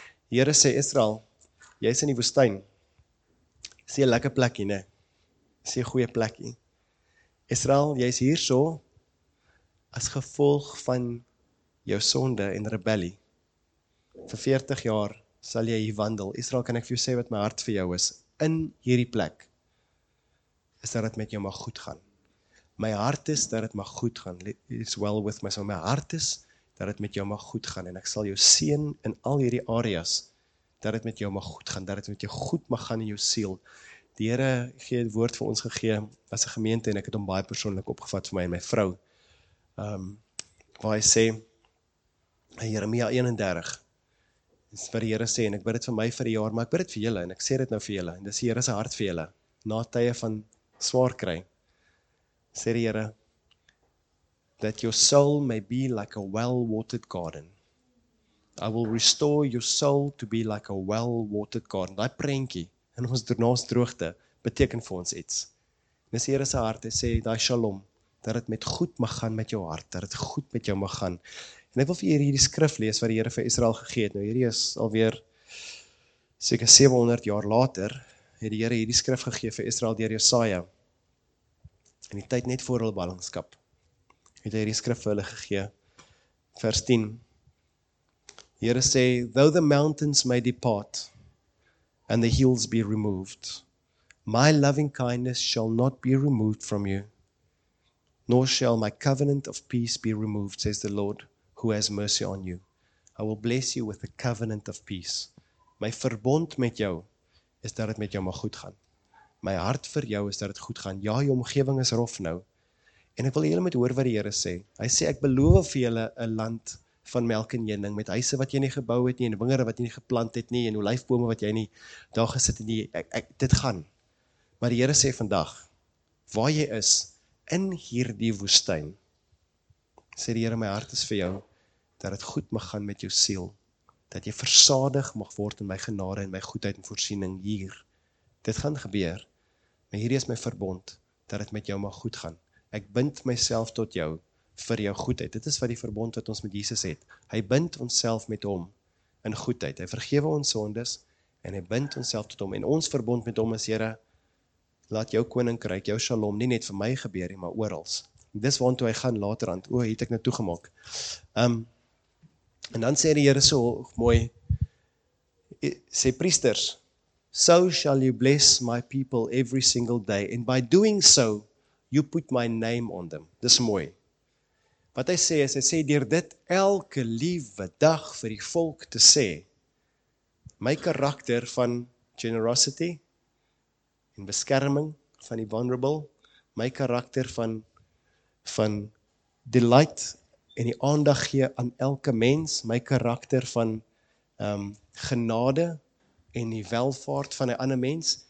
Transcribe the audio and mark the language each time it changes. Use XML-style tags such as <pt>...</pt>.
<af>Die Here sê, Israel, jy is in die woestijn. Sê een lekker plekje, ne? Sê een goeie plekje. Israel, jy is hier so as gevolg van jou sonde en rebellie. Vir 40 jaar sal jy hier wandel. Israel, kan ek vir jou sê wat my hart vir jou is? In hierdie plek is dat het met jou mag goed gaan. My hart is dat het mag goed gaan.</af> <en>It's well with my soul.</en> <af>My hart is dat het met jou mag goed gaan. En ek sal jou seën in al hierdie areas dat het met jou mag goed gaan. Dat het met jou goed mag gaan in jou siel. Die Here gee het woord vir ons gegee as 'n gemeente en ek het hom baie persoonlik opgevat vir my en my vrou. Waar hy sê Jeremia 31, dis wat die Here sê, en ek bid dit vir my vir die jaar, maar ek bid dit vir julle, en ek sê dit nou vir julle, en dis die Here se hart vir julle, na tye van swaar kry, sê die Here,</af> <en>that your soul may be like a well-watered garden. I will restore your soul to be like a well-watered garden.</en> <af>Die prentjie, in ons naast droogte, beteken vir ons iets. Dis die Here se hart, hy sê, die shalom, dat het met goed mag gaan met jou hart, dat het goed met jou mag gaan, en ek wil vir hierdie skrif lees wat die Here vir Israel gegee het. Nou hierdie is alweer seker 700 jaar later het die Here hierdie skrif gegee vir Israel deur Jesaja. In die tyd net voor hulle ballingskap het hy hierdie skrif vir hulle gegee. Vers 10. Die Here sê,</af> <en>though the mountains may depart and the hills be removed, my loving kindness shall not be removed from you, nor shall my covenant of peace be removed, says the Lord, who has mercy on you. I will bless you with a covenant of peace.</en> <af>My verbond met jou is dat het met jou mag goed gaan. My hart vir jou is dat het goed gaan. Ja, jou omgewing is rof nou. En ek wil julle met hoor wat die Here sê. Hy sê, ek beloof vir julle 'n land van melk en honing, met huise wat jy nie gebou het nie, en wingerde wat jy nie geplant het nie, en olyfbome wat jy nie daar gesit het nie. Dit gaan. Maar die Here sê vandag, waar jy is, in hierdie woestyn, sê die Here, my hart is vir jou, dat het goed mag gaan met jou siel, dat jy versadig mag word in my genade en my goedheid en voorsiening hier. Dit gaan gebeur, maar hierdie is my verbond, dat het met jou mag goed gaan. Ek bind myself tot jou, vir jou goedheid. Dit is wat die verbond wat ons met Jesus het. Hy bind onsself met hom in goedheid. Hy vergewe ons sondes en hy bind onsself tot hom. En ons verbond met hom is, Here, laat jou koninkryk, jou shalom, nie net vir my gebeur, maar oorals. Dis waantoe hy gaan later aan, oe, het ek nou toegemaak. En dan sê die Here so mooi, sê priesters,</af> <en>So shall you bless my people every single day. And by doing so, you put my name on them.</en> <af>Dis mooi. Wat hy sê is, hy sê, deur dit elke liewe dag vir die volk te sê, my karakter van generosity en beskerming van die vulnerable, my karakter van delight en die aandag gee aan elke mens, my karakter van genade en die welvaart van 'n ander mens.</af>